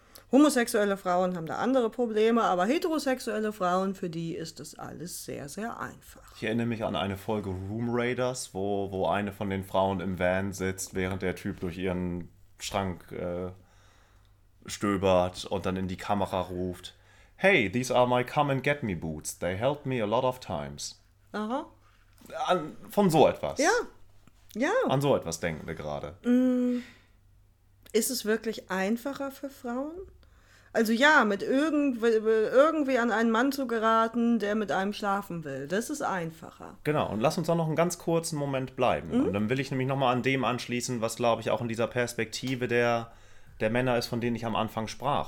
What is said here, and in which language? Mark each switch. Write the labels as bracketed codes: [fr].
[de] Homosexuelle Frauen haben da andere Probleme, aber heterosexuelle Frauen, für die ist das alles sehr, sehr einfach. Ich erinnere mich an eine Folge Room Raiders, wo eine von den Frauen im Van sitzt, während der Typ durch ihren Schrank stöbert und dann in die Kamera ruft. [en] Hey, these are my come and get me boots. They helped me a lot of times. Aha. [de] Von so etwas. Ja. Ja. An so etwas denken wir gerade. Ist es wirklich einfacher für Frauen? Also ja, mit irgendwie an einen Mann zu geraten, der mit einem schlafen will. Das ist einfacher. Genau. Und lass uns auch noch einen ganz kurzen Moment bleiben. Mhm. Und dann will ich nämlich nochmal an dem anschließen, was, glaube ich, auch in dieser Perspektive der Männer ist, von denen ich am Anfang sprach.